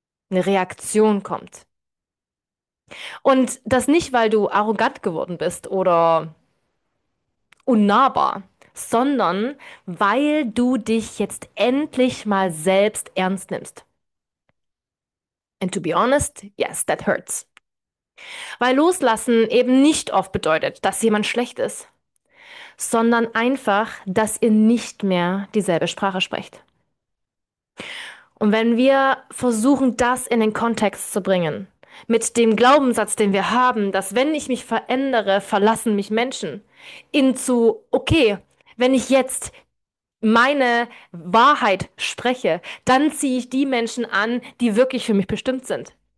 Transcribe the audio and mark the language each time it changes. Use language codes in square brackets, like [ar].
[de] Eine Reaktion kommt. Und das nicht, weil du arrogant geworden bist oder unnahbar, sondern weil du dich jetzt endlich mal selbst ernst nimmst. [en] And to be honest, yes, that hurts. [de] Weil Loslassen eben nicht oft bedeutet, dass jemand schlecht ist, sondern einfach, dass ihr nicht mehr dieselbe Sprache sprecht. Und wenn wir versuchen, das in den Kontext zu bringen, mit dem Glaubenssatz, den wir haben, dass wenn ich mich verändere, verlassen mich Menschen, in zu, okay, wenn ich jetzt meine Wahrheit spreche, dann ziehe ich die Menschen an, die wirklich für mich bestimmt sind.